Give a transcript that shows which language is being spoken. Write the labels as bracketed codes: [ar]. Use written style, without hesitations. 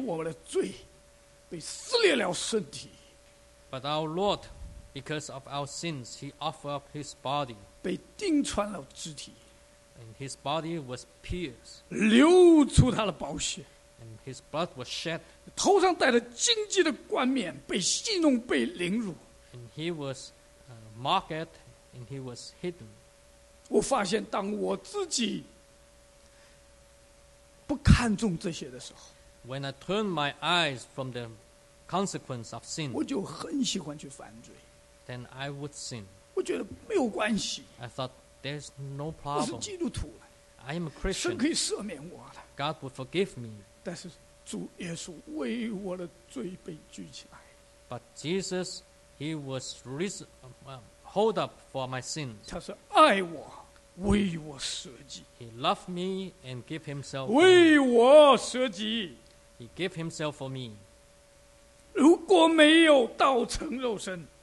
[zh] 但是我们的主是为我们的罪被撕裂了身体。 [en] But our Lord, because of our sins, he offered up his body. [zh] 被钉穿了肢体。 [en] And his body was pierced. [zh] 流出他的宝血。 [en] And his blood was shed. [zh] 头上戴着荆棘的冠冕被戏弄被凌辱。 [en] And he was mocked and he was hidden. [zh] 我发现当我自己不看重这些的时候, [en] when I turn my eyes from the consequence of sin, [zh] 我就很喜欢去犯罪, [en] then I would sin. [zh] 我觉得没有关系, [en] I thought there's no problem. [zh] 我是基督徒, [en] I am a Christian. [zh] 神可以赦免我的, [en] God would forgive me. [zh] 但是主耶稣为我的罪被举起来, [en] but Jesus, he was hold up for my sins. [zh] 他是爱我, [en] he loved me and gave himself for me. [zh] 为我舍己, [en] he gave himself for me. [zh] 如果没有道成肉身,